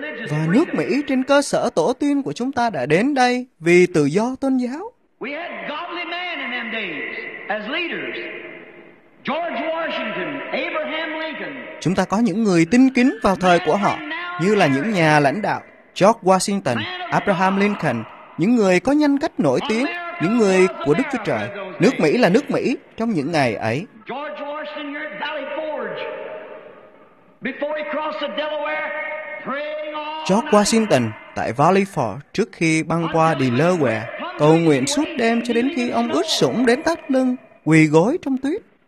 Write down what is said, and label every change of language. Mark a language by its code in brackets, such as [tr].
[vi] Và nước Mỹ trên cơ sở tổ tiên của chúng ta đã đến đây vì tự do tôn giáo. [en] We had godly men in them days as leaders. George Washington, Abraham Lincoln. [vi] Chúng ta có những người tin kính vào thời của họ, như là những nhà lãnh đạo George Washington, Abraham Lincoln, những người có nhân cách nổi tiếng, những người của Đức Chúa Trời. Nước Mỹ là nước Mỹ trong những ngày ấy. [en] George Washington here at Valley Forge. Before he crossed the Delaware, praying all. [vi] George Washington tại Valley Forge trước khi băng qua Delaware, cầu nguyện suốt đêm cho đến khi ông ướt sũng đến tắt lưng, quỳ gối trong tuyết.